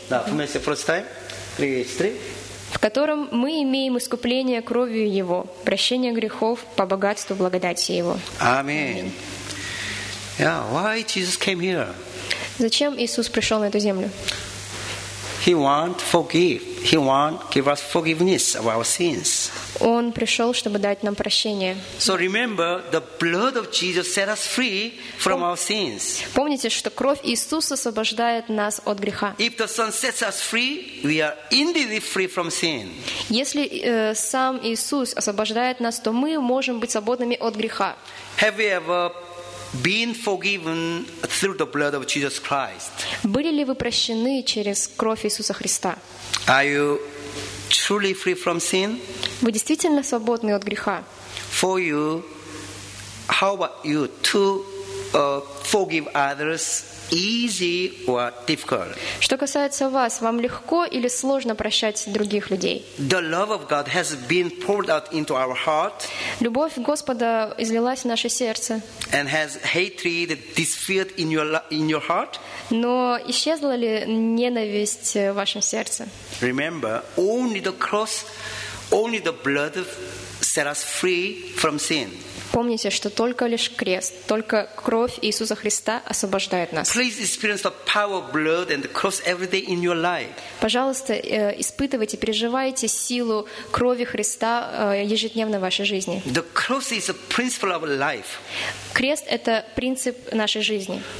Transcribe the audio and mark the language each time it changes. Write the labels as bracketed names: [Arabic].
[Russian] Да, вместе прочитаем. 3:3. В котором мы имеем искупление кровью Его, прощение грехов по богатству благодати Его. [English] Аминь. Yeah, why Jesus came here? [Russian] Зачем Иисус пришел на эту землю? [English] He want forgive. He want give us forgiveness of our sins. [Russian] Он пришел, чтобы дать нам прощение. [English] So remember, the blood of Jesus set us free from our sins. [Russian] Помните, что кровь Иисуса освобождает нас от греха. [English] If the Son sets us free, we are indeed free from sin. [Russian] Если сам Иисус освобождает нас, то мы можем быть свободными от греха. [English] Have we ever been forgiven through the blood of Jesus Christ? [Russian] Были ли вы прощены через кровь Иисуса Христа? [English] Are you truly free from sin? [Russian] Вы действительно свободны от греха? [English] For you, how about you to forgive others easy or difficult? [Russian] Что касается вас, вам легко или сложно прощать других людей? [English] The love of God has been poured out into our heart. [Russian] Любовь Господа излилась в наше сердце. [English] And has hatred disappeared in your heart? [Russian] Но исчезла ли ненависть в вашем сердце? [English] Remember, only the cross, only the blood set us free from sin. [Russian] Помните, что только лишь крест, только кровь Иисуса Христа освобождает нас. [English] Please experience the power of blood and the cross every day in your life. [Russian] Пожалуйста, испытывайте, переживайте силу крови Христа ежедневно в вашей жизни. [English] The cross is a principle of life. [Russian] Крест – это принцип нашей жизни.